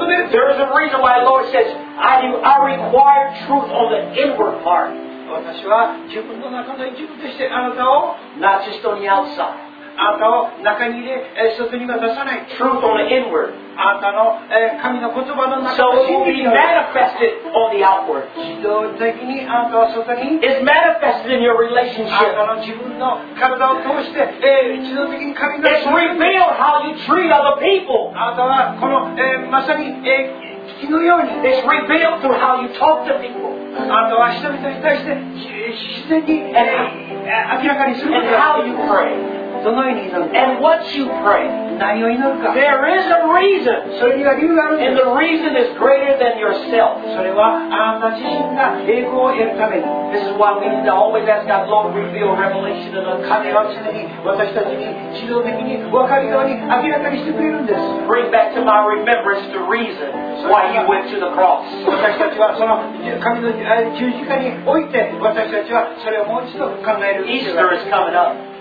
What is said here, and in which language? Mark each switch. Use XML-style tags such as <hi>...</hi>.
<en>There is a reason why the Lord says, I require truth on the inward part.</en> <ja>私は自分の中の一部としてあなたを</ja> <en>Not just on the outside.</en> <ja>あなたを中に入れ外には出さない</ja> <en>Truth on the inward.</en> <ja>あなたの神の言葉の中に入れ</ja> <en>So it will be manifested on the outward.</en> <ja>自動的にあなたは外に</ja> <en>It's manifested in your relationship.</en> <ja>あなたの自分の体を通して自動的に神の</ja> <en>It's revealed how you treat other people.</en> <ja>あなたはこのまさに聞きのように</ja> <en>It's revealed through how you talk to people.</en> <ja>あとは人々に対して自然に明らかにすることがどのように祈るか</ja> <en>And what you pray.</en> <ja>何を祈るか</ja> <en>There is a reason.</en> <ja>それには理由があるんです</ja> <en>And the reason is greater than yourself.</en> <ja>それはあなた自身が栄光を得るために</ja> <en>This is why we need to always ask God, Lord, reveal revelation of the coming of Jesus. Bring back to my remembrance the reason why you went to the cross. Easter is coming up.</en>